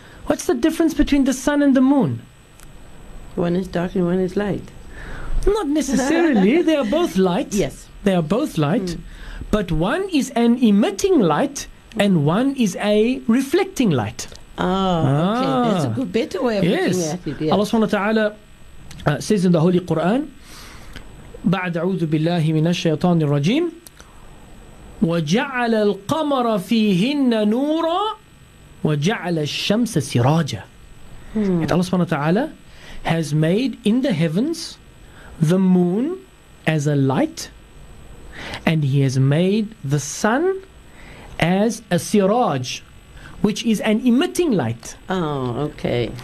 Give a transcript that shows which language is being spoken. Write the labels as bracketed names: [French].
[English] What's the difference between the sun and the moon? One is dark and one is light. Not necessarily. They are both light. Yes. They are both light. Mm. But one is an emitting light and one is a reflecting light. Okay. That's a good, better way of yes. looking at it. Yes. Allah subhanahu wa ta'ala says in the Holy Quran, [Arabic] بعد أعوذ بالله من الشيطان الرجيم وجعل القمر فيهن نورا وجعل الشمس سراجا. [English] And Allah subhanahu wa ta'ala has made in the heavens the moon as a light, and he has made the sun as a siraj, which is an emitting light. Oh, okay.